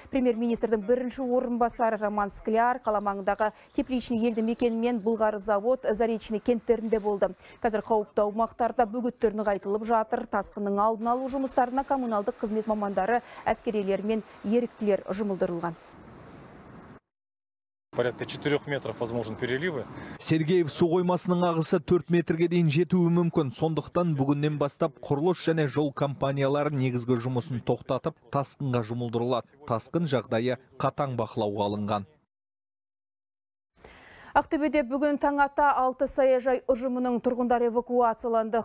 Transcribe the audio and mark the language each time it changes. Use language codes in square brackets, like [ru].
[kk] Премьер-министрдің бірінші орынбасары Роман Скляр қаламаңындағы Тепличный елді мекенімен Бұлғары завод Заречный кенттерінде болды. Қазір қауіпті аумақтарда бөгеттер нығайтылып жатыр. Тасқынның алдын алу жұмыстарына коммуналдық қызмет мамандары, әскерилер мен еріктілер жұмылдырылған. [ru] Порядка 4 метров возможен переливы. [kk] Сергеев су қоймасының ағысы 4 метрге дейін жетуі мүмкін. Сондықтан бүгіннен бастап құрылыс және жол компаниялары негізгі жұмысын тоқтатып, тасқынға жұмылдырылады. Тасқын жағдайы қатаң бақылауға алынған. Ақтөбеде бүгін таңата 6 саяжай ұжымының тұрғындары эвакуацияланды.